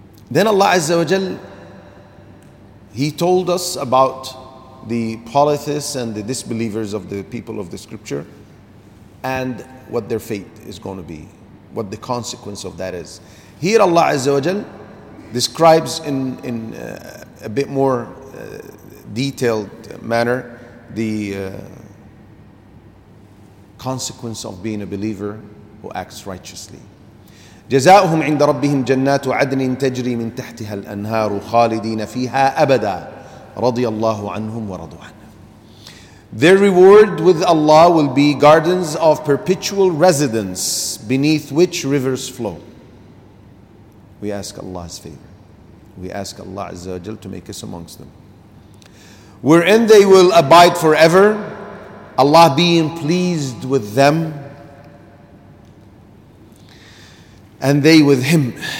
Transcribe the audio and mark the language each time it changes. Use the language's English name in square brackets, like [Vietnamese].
[English] Then Allah Azza wa Jal, He told us about the polytheists and the disbelievers of the people of the scripture and what their fate is going to be, what the consequence of that is. Here Allah Azza wa Jal describes in a bit more detailed manner the consequence of being a believer who acts righteously. [Arabic] جزاؤهم عند ربهم جنات عدن تجري من تحتها الأنهار خالدين فيها أبدا رضي الله عنهم ورضوا عنه. [English] Their reward with Allah will be gardens of perpetual residence beneath which rivers flow. We ask Allah's favor. We ask Allah Azza wa Jal to make us amongst them. Wherein they will abide forever, Allah being pleased with them, and they with Him.